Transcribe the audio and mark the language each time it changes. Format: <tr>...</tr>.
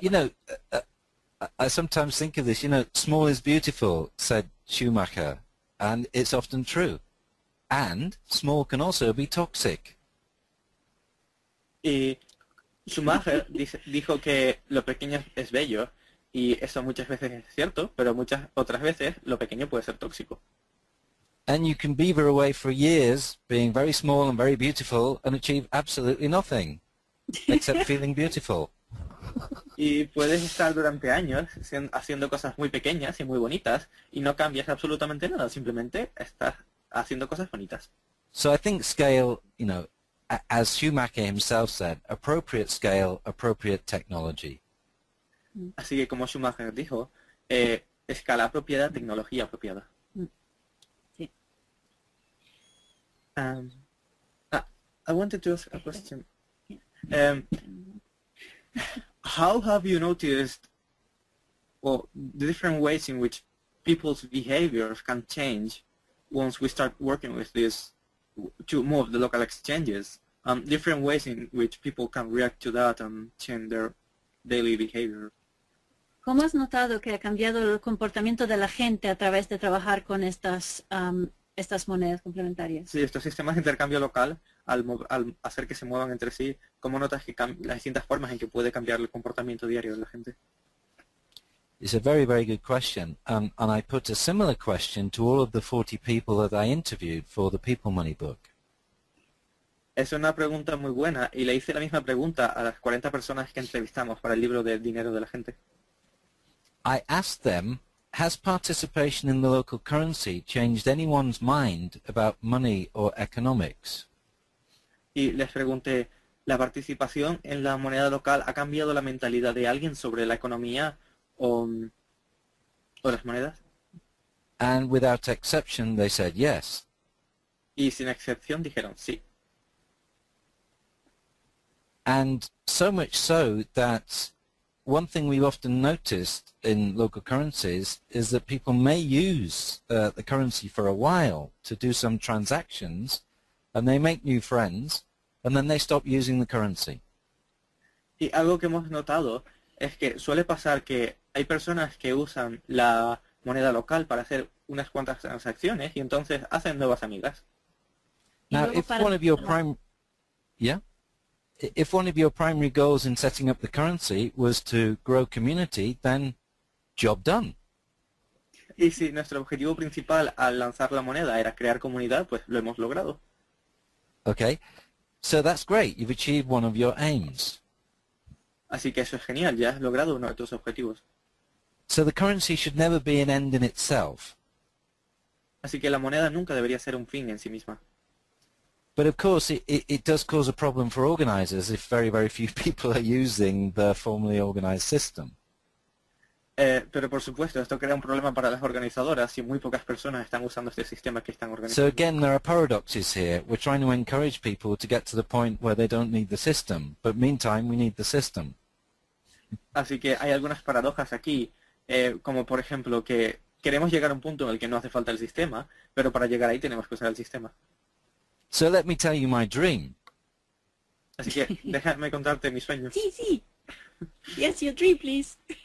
<en>You know, I sometimes think of this, you know, small is beautiful, said Schumacher, and it's often true. And small can also be toxic.</en> <es>Y Schumacher dijo que lo pequeño es bello, y eso muchas veces es cierto, pero muchas otras veces lo pequeño puede ser tóxico.</es> <en>And you can beaver away for years, being very small and very beautiful, and achieve absolutely nothing, except feeling beautiful.</en> <es>Y puedes estar durante años haciendo cosas muy pequeñas y muy bonitas, y no cambias absolutamente nada, simplemente estás haciendo cosas bonitas.</es> <en>So I think scale, you know, as Schumacher himself said, appropriate scale, appropriate technology.</en> <es>Así que como Schumacher dijo, escala apropiada, tecnología apropiada.</es> <en>I wanted to ask a question. How have you noticed the different ways in which people's behaviors can change once we start working with this to move the local exchanges, different ways in which people can react to that and change their daily behavior?</en> <es>¿Cómo has notado que ha cambiado el comportamiento de la gente a través de trabajar con estas monedas complementarias? Sí, estos sistemas de intercambio local, al hacer que se muevan entre sí, ¿cómo notas que las distintas formas en que puede cambiar el comportamiento diario de la gente?</es> <en>It's a very, very good question. And I put a similar question to all of the 40 people that I interviewed for the People Money book.</en> <es>Es una pregunta muy buena, y le hice la misma pregunta a las 40 personas que entrevistamos para el libro de Dinero de la Gente.</es> <en>I asked them, has participation in the local currency changed anyone's mind about money or economics?</en> <es>Y les pregunté, ¿la participación en la moneda local ha cambiado la mentalidad de alguien sobre la economía o las monedas?</es> <en>And without exception, they said yes.</en> <es>Y sin excepción dijeron sí.</es> <en>And so much so that one thing we've often noticed in local currencies is that people may use the currency for a while to do some transactions, and they make new friends, and then they stop using the currency.</en> <es>Y algo que hemos notado es que suele pasar que hay personas que usan la moneda local para hacer unas cuantas transacciones y entonces hacen nuevas amigas.</es> <en>Now, if one of your primary goals in setting up the currency was to grow community, then job done.</en> <es>Y si nuestro objetivo principal al lanzar la moneda era crear comunidad, pues lo hemos logrado.</es> <en>Okay, so that's great. You've achieved one of your aims.</en> <es>Así que eso es genial. Ya has logrado uno de tus objetivos.</es> <en>So the currency should never be an end in itself.</en> <es>Así que la moneda nunca debería ser un fin en sí misma.</es> <en>But of course, it does cause a problem for organizers if very, very few people are using the formally organized system.</en> <es>Pero por supuesto, esto crea un problema para las organizadoras si muy pocas personas están usando este sistema que están organizando.</es> <en>So again, there are paradoxes here. We're trying to encourage people to get to the point where they don't need the system, but meantime, we need the system.</en> <es>Así que hay algunas paradojas aquí, como por ejemplo que queremos llegar a un punto en el que no hace falta el sistema, pero para llegar ahí tenemos que usar el sistema.</es> <en>So let me tell you my dream.</en> <es>Así que déjame contarte mi sueño. Sí, sí.</es> <en>Yes, your dream, please.</en>